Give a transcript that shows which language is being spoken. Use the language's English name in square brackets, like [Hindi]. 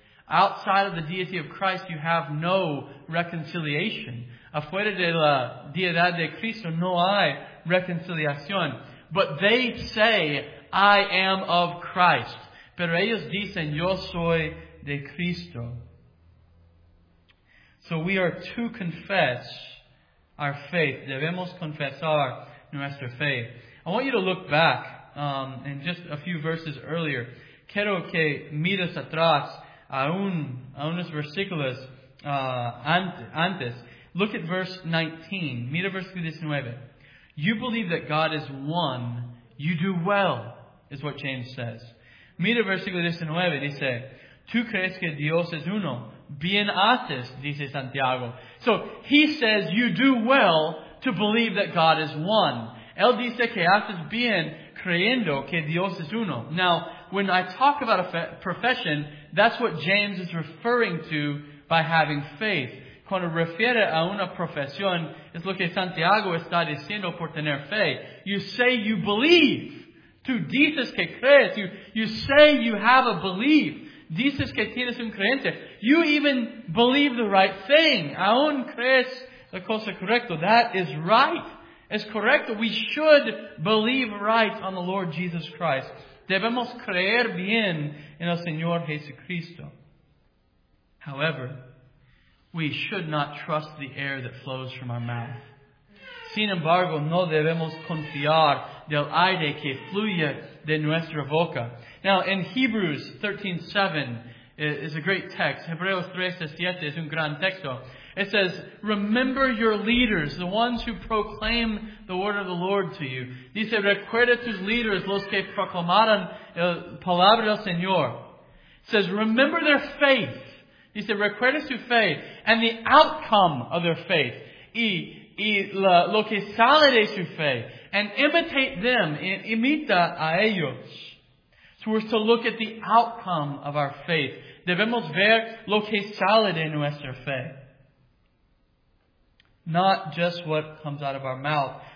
[English] Outside of the deity of Christ, you have no reconciliation. [Spanish] Afuera de la deidad de Cristo, no hay reconciliación. [English] But they say, I am of Christ. [Spanish] Pero ellos dicen, yo soy de Cristo. [English] So we are to confess our faith. [Spanish] Debemos confesar nuestra fe. [English] I want you to look back in just a few verses earlier. [Spanish] Quiero que mires atrás a unos versículos antes. [English] Look at verse 19. [Spanish] Mira versículo 19. [English] You believe that God is one. You do well, is what James says. [Spanish] Mira versículo 19. Dice, tú crees que Dios es uno. Bien haces, dice Santiago. [English] So he says you do well to believe that God is one. [Spanish] Él dice que haces bien creyendo que Dios es uno. [English] Now, when I talk about a profession, that's what James is referring to by having faith. [Spanish] Cuando refiere a una profesión, es lo que Santiago está diciendo por tener fe. [English] You say you believe. [Spanish] Tú dices que crees. [English] You say you have a belief. [Spanish] Dices que tienes un creyente. [English] You even believe the right thing. [Spanish] Aún crees la cosa correcta. [English] That is right. [Spanish] Es correcto. [English] We should believe right on the Lord Jesus Christ. [Spanish] Debemos creer bien en el Señor Jesucristo. [English] However, we should not trust the air that flows from our mouth. [Spanish] Sin embargo, no debemos confiar del aire que fluye de nuestra boca. [English] Now, in Hebrews 13:7 is a great text. [Spanish] Hebreos 13:7 es un gran texto. [English] It says, remember your leaders, the ones who proclaim the word of the Lord to you. [Spanish] Dice, recuerda tus líderes, los que proclamaron el palabra del Señor. [English] It says, remember their faith. [Spanish] Dice, recuerda su fe [English] and the outcome of their faith. [Spanish] Y lo que sale de su fe. [English] And imitate them, [Spanish] imita a ellos. [English] So we're to look at the outcome of our faith. [Spanish] Debemos ver lo que sale de nuestra fe. [English] Not just what comes out of our mouth.